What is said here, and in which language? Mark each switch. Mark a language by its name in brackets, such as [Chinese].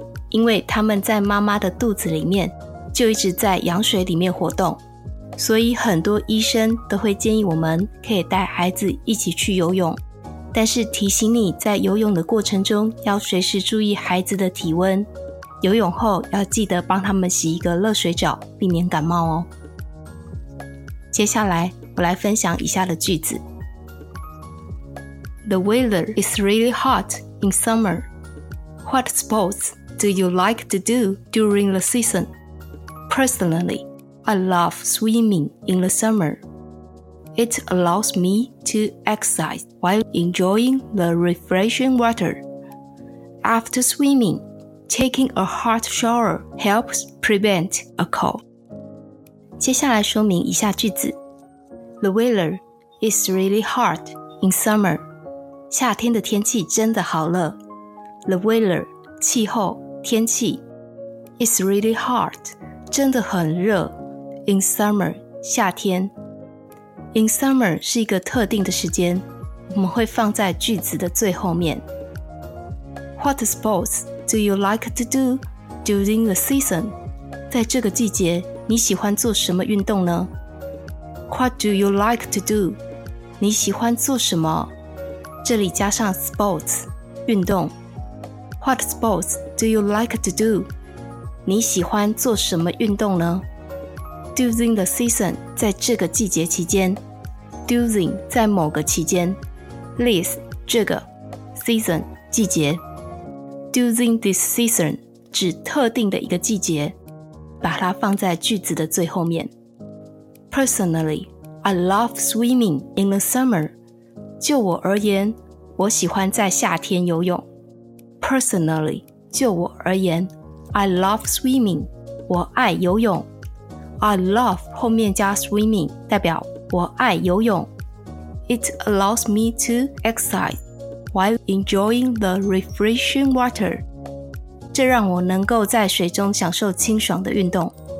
[Chinese] 因为他们在妈妈的肚子里面就一直在羊水里面活动，所以很多医生都会建议我们可以带孩子一起去游泳，但是提醒你在游泳的过程中要随时注意孩子的体温，游泳后要记得帮他们洗一个热水澡，避免感冒哦。接下来我来分享以下的句子。 [English] The weather is really hot in summer. What sports do you like to do during the season? Personally, I love swimming in the summer. It allows me to exercise while enjoying the refreshing water. After swimming, taking a hot shower helps prevent a cold. [Chinese] 接下来说明一下句子。 [English] The weather is really hot in summer. [Chinese] 夏天的天气真的好热。 [English] The weather, [Chinese] 气候、天气。 [English] It's really hot, [Chinese] 真的很热。 [English] In summer, [Chinese] 夏天。 [English] In summer [Chinese] 是一个特定的时间，我们会放在句子的最后面。 [English] What sports do you like to do during the season? [Chinese] 在这个季节，你喜欢做什么运动呢？ [English] What do you like to do? [Chinese] 你喜欢做什么？这里加上 [English] sports, [Chinese] 运动。 [English] What sports do you like to do? [Chinese] 你喜欢做什么运动呢？ [English] During the season, [Chinese] 在这个季节期间。 During, 在某个期间。This, 这个。 Season, 季节。 [English] During this season, [Chinese] 指特定的一个季节。把它放在句子的最后面。 [English] Personally, I love swimming in the summer. [Chinese] 就我而言，我喜欢在夏天游泳。 Personally, 就我而言 [English] I love swimming, [Chinese] 我爱游泳。 [English] I love [Chinese] 后面加 swimming, 代表我爱游泳。 [English] It allows me to exercise while enjoying the refreshing water. [Chinese] 这让我能够在水中享受清爽的运动。